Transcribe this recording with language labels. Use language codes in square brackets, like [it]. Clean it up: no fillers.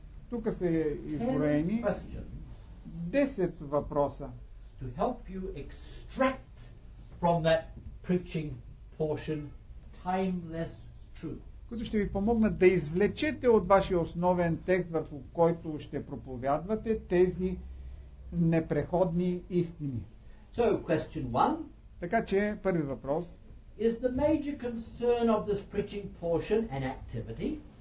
[bg] Тук са изброени 10 въпроса, [en] to help you extract from that preaching portion timeless truth. [bg] Които ще ви помогнат да извлечете от вашия основен текст, върху който ще проповядвате тези непреходни истини. [en] So, question one. [bg] Така че, първи въпрос. [en] Is the major concern of this preaching portion an activity?